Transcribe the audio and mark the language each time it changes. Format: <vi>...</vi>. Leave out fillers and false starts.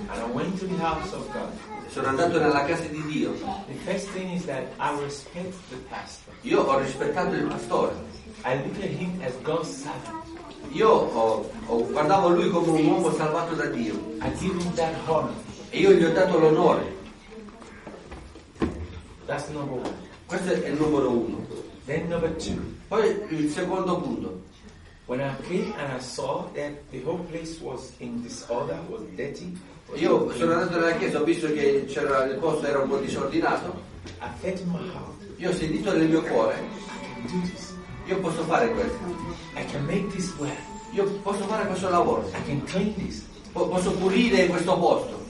<en>And I went to the house of God.</en> <it>Sono andato nella casa di Dio.</it> <en>The first thing is that I respect the pastor.</en> <it>Io ho rispettato il pastore.</it> <en>I look at him as God's servant.</en> <it>Io ho guardavo lui come un uomo salvato da Dio.</it> <en>I give him that honor.</en> <it>E io gli ho dato l'onore.</it> <en>That's number one.</en> <it>Questo è il numero uno.</it> <en>Then number two.</en> <it>Poi il secondo punto.</it> <en>When I came and I saw that the whole place was in disorder, was dirty.</en> <it>Io sono andato nella chiesa, ho visto che c'era il posto era un po' disordinato.</it> <en>I felt in my heart.</en> <it>Io ho sentito nel mio cuore. Io posso fare questo.</it> <en>I can make this work.</en> <it>Io posso fare questo lavoro.</it> <en>I can clean this.</en> <it>Posso pulire questo posto.</it>